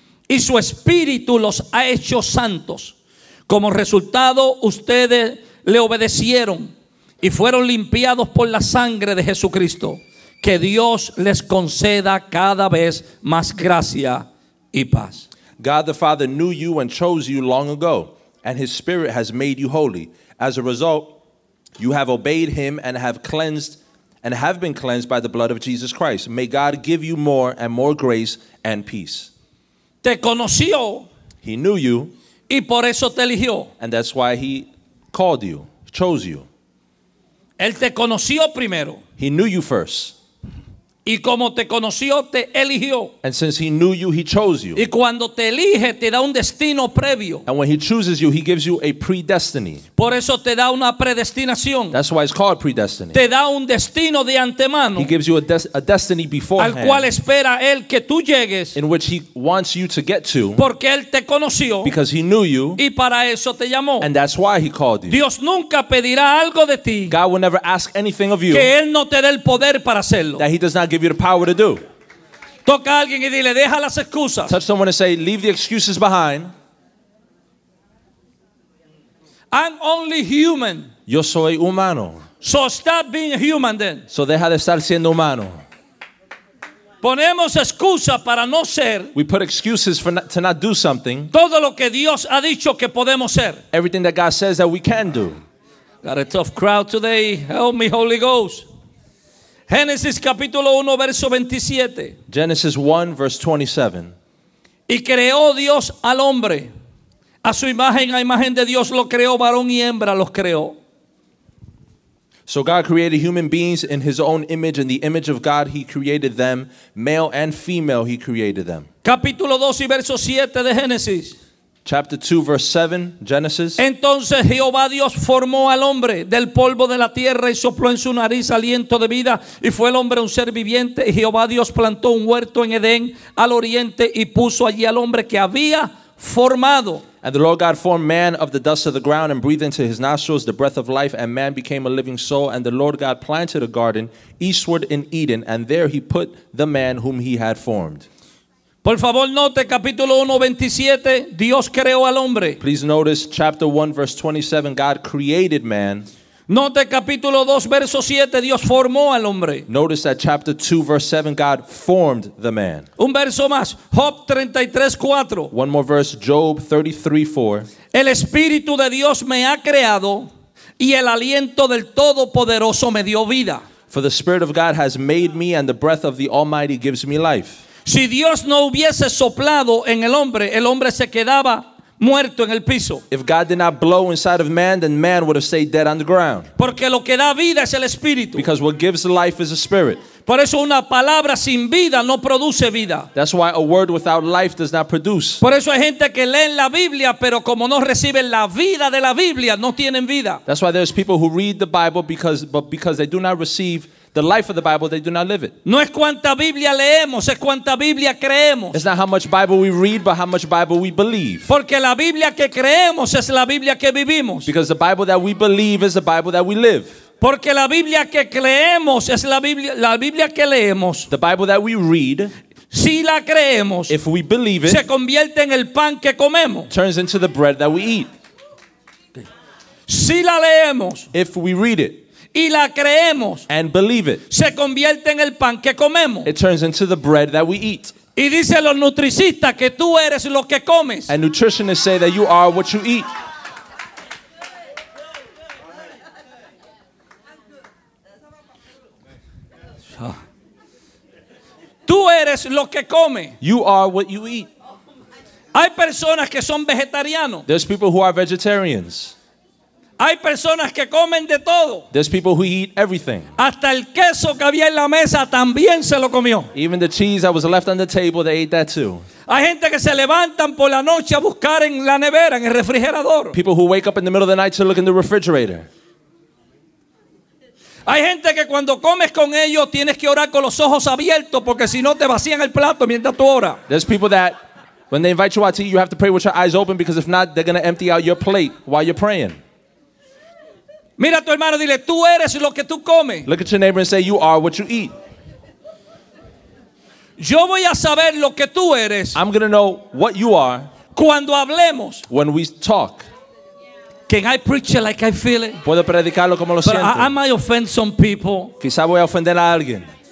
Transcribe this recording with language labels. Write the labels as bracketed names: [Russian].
[Spanish] Y su espíritu los ha hecho santos. Como resultado, ustedes le obedecieron y fueron limpiados por la sangre de Jesucristo. Que Dios les conceda cada vez más gracia y paz. [English] God the Father knew you and chose you long ago, and His Spirit has made you holy. As a result, you have obeyed Him and have been cleansed by the blood of Jesus Christ. May God give you more and more grace and peace. [Spanish] Te conoció. [English] He knew you. [Spanish] Y por eso te eligió. [English] And that's why He called you, chose you. [Spanish] Él te conoció primero. [English] He knew you first. [Spanish] Y como te conoció, te eligió. [English] And since He knew you, He chose you. [Spanish] Y cuando te elige, te da un destino previo. [English] And when He chooses you, He gives you a predestiny. [Spanish] Por eso te da una predestinación. [English] That's why it's called predestiny. [Spanish] Te da un destino de antemano. [English] He gives you a destiny beforehand. [Spanish] Al cual espera Él que tú llegues. [English] In which He wants you to get to. [Spanish] Porque Él te conoció. [English] Because He knew you. [Spanish] Y para eso te llamó. [English] And that's why He called you. [Spanish] Dios nunca pedirá algo de ti. [English] God will never ask anything of you. [Spanish] Que Él no te dé el poder para hacerlo. [English] That He does not give you the power to do. [Spanish] Toca a alguien y dile, deja las excusas. [English] Touch someone and say, leave the excuses behind. I'm only human. [Spanish] Yo soy humano. [English] So stop being human then. [Spanish] So deja de estar siendo humano. Ponemos excusas para no ser. [English] We put excuses for to not do something. [Spanish] Todo lo que Dios ha dicho que podemos ser. [English] Everything that God says that we can do. Got a tough crowd today. Help me, Holy Ghost. [Spanish] Génesis capítulo 1 verso 27. [English] Genesis 1 verse 27. [Spanish] Y creó Dios al hombre. A su imagen, a imagen de Dios lo creó, varón y hembra los creó. [English] So God created human beings in His own image, in the image of God He created them, male and female He created them. [Spanish] Capítulo 2 y verso 7 de Génesis. [English] Chapter 2 verse 7, Genesis. [Spanish] Entonces Jehová Dios formó al hombre del polvo de la tierra y sopló en su nariz aliento de vida y fue el hombre un ser viviente. Y Jehová Dios plantó un huerto en Edén al oriente y puso allí al hombre que había formado. [English] And the Lord God formed man of the dust of the ground and breathed into his nostrils the breath of life, and man became a living soul. And the Lord God planted a garden eastward in Eden, and there He put the man whom He had formed. [Spanish] Por favor, note capítulo 1, 27, Dios creó al hombre. [English] Please notice chapter 1, verse 27, God created man. [Spanish] Note capítulo 2, verso 7, Dios formó al hombre. [English] Notice that chapter 2, verse 7, God formed the man. [Spanish] Un verso más, Job 33, 4. [English] One more verse, Job 33, 4. [Spanish] El Espíritu de Dios me ha creado y el aliento del Todopoderoso me dio vida. [English] For the Spirit of God has made me and the breath of the Almighty gives me life. [Spanish] Si Dios no hubiese soplado en el hombre se quedaba muerto en el piso. [English] If God did not blow inside of man, then man would have stayed dead on the ground. [Spanish] Porque lo que da vida es el espíritu. [English] Because what gives life is a spirit. [Spanish] Por eso una palabra sin vida no produce vida. [English] That's why a word without life does not produce. [Spanish] Por eso hay gente que leen la Biblia, pero como no reciben la vida de la Biblia, no tienen vida. [English] That's why there's people who read the Bible because they do not receive the life of the Bible, they do not live it. [Spanish] No es cuánta Biblia leemos, es cuánta Biblia creemos. [English] It's not how much Bible we read, but how much Bible we believe. [Spanish] Porque la Biblia que creemos es la Biblia que vivimos. [English] Because the Bible that we believe is the Bible that we live. [Spanish] Porque la Biblia que creemos es la Biblia que leemos. [English] The Bible that we read. [Spanish] Si la creemos. [English] If we believe it. [Spanish] Se convierte en el pan que comemos. [English] Turns into the bread that we eat. [Spanish] Si la leemos. [English] If we read it. [Spanish] Y la creemos. [English] And believe it. [Spanish] Se convierte en el pan que comemos. [English] It turns into the bread that we eat. [Spanish] Y dice los nutricistas que tú eres lo que comes. [English] And nutritionists say that you are what you eat. [Spanish] So, eres lo que come. [English] You are what you eat. [Spanish] Hay personas que son vegetarianos. [English] There's people who are vegetarians. [Spanish] Hay personas que comen de todo. [English] There's people who eat everything. [Spanish] Hasta el queso que había en la mesa también se lo comió. [English] Even the cheese that was left on the table, they ate that too. [Spanish] Hay gente que se levantan por la noche a buscar en la nevera, en el refrigerador. [English] People who wake up in the middle of the night to look in the refrigerator. [Spanish] Hay gente que cuando comes con ellos tienes que orar con los ojos abiertos porque si no te vacían el plato mientras tú oras. [English] There's people that when they invite you out to eat, you have to pray with your eyes open because if not, they're going to empty out your plate while you're praying. [Spanish] Mira a tu hermano, dile, tú eres lo que tú comes. [English] Look at your neighbor and say, you are what you eat. [Spanish] Yo voy a saber lo que tú eres. [English] I'm going to know what you are. [Spanish] Cuando hablemos. [English] When we talk. Can I preach it like I feel it? [Spanish] Puedo predicarlo como lo siento. [English] I might offend some people. [Spanish] Quizá voy a ofender a alguien.